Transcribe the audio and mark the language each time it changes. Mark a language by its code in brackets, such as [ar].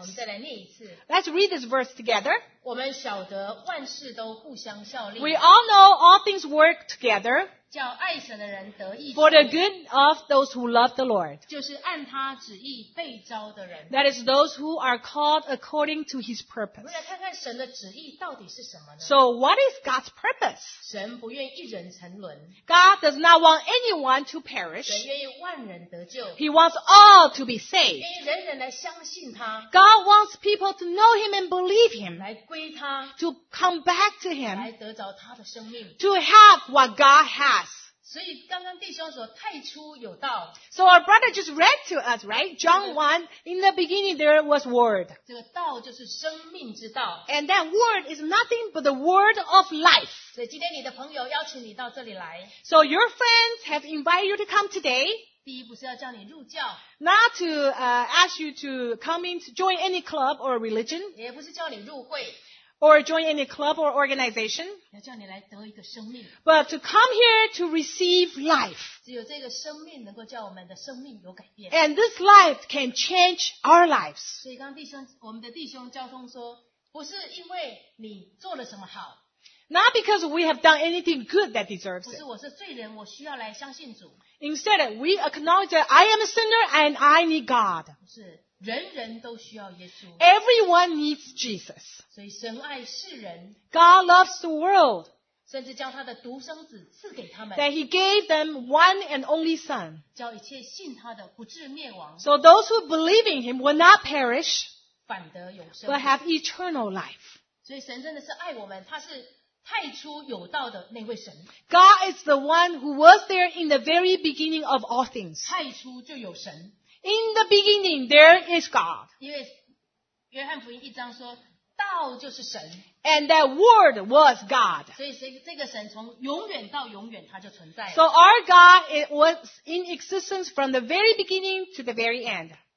[zh] 我们再来念一次。 [en] Let's read this verse together. [zh] 我们晓得万事都互相效力。 [en] We all know all things work together. [zh] 叫爱神的人得益处。 [en] For the good of those who love the Lord. [zh] 就是按他旨意被召的人。 [en] That is those who are called according to his purpose. [zh] 我们来看看神的旨意到底是什么呢？ [en] So what is God's purpose? [zh] 神不愿一人沉沦。 [en] God does not want anyone to perish. [zh] 神愿意万人得救。 [en] He wants all to be saved. [zh] 愿意人人来相信他。 [en] God wants people to know him and believe him. [zh] 来归他。 [en] To come back to him. [zh] 来得着他的生命。 [en] To have what God has. [zh] 所以刚刚弟兄说太初有道。 [en] So our brother just read to us, right? John 1, in the beginning there was word. [zh] 这个道就是生命之道。 [en] And that word is nothing but the word of life. [zh] 所以今天你的朋友邀请你到这里来。 [en] So your friends have invited you to come today. [zh] 第一不是要叫你入教。 [en] Not to, ask you to come in to join any club or religion. [zh] 也不是叫你入会。 [en] Or join any club or organization. [zh] 要叫你来得一个生命。 [en] But to come here to receive life. [zh] 只有这个生命能够叫我们的生命有改变。 [en] And this life can change our lives. [zh] 所以刚弟兄，我们的弟兄交通说，不是因为你做了什么好。 [en] Not because we have done anything good that deserves it. [zh] 不是我是罪人，我需要来相信主。 [en] Instead, we acknowledge that I am a sinner and I need God. [zh] 不是。人人都需要耶稣。 [en] Everyone needs Jesus. [zh] 所以神爱世人。 [en] God loves the world. [zh] 甚至将他的独生子赐给他们。 [en] That he gave them one and only son. [zh] 叫一切信他的不至灭亡。 [en] So those who believe in him will not perish. [zh] 反得永生。 [en] But have eternal life. [zh] 所以神真的是爱我们，他是太初有道的那位神。 [en] God is the one who was there in the very beginning of all things. [zh] 太初就有神。 [en] In the beginning, there is God. [zh] 因为约翰福音一章说，道就是神。 [en] And that word was God. [zh] 所以这个神从永远到永远他就存在了。 [en] So our God, it was in existence from the very beginning to the very end.